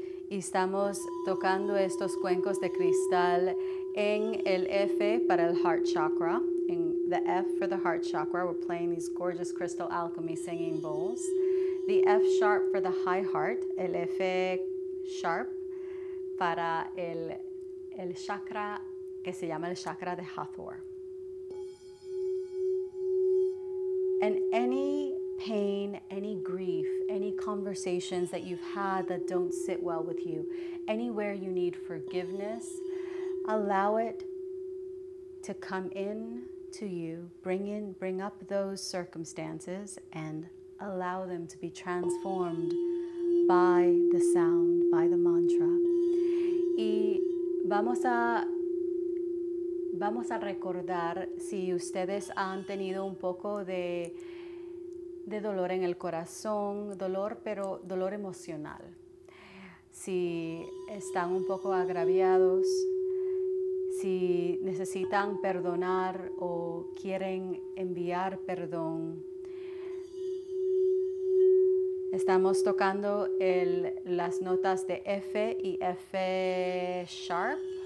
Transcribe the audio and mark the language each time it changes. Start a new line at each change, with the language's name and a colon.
Spanish: Y estamos tocando estos cuencos de cristal en el F para el
English: heart chakra. In the F for the heart chakra, we're playing these gorgeous crystal alchemy singing bowls. The F sharp for the high heart,
Spanish: el F sharp para el chakra que se llama el chakra de Hathor.
English: And any pain, any grief, any conversations that you've had that don't sit well with you, anywhere you need forgiveness, allow it to come in to you, bring up those circumstances and allow them to be transformed by the sound, by the mantra.
Spanish: Y vamos a recordar si ustedes han tenido un poco de dolor en el corazón, dolor, pero dolor emocional. Si están un poco agraviados, si necesitan perdonar o quieren enviar perdón, estamos tocando las notas de F y F sharp.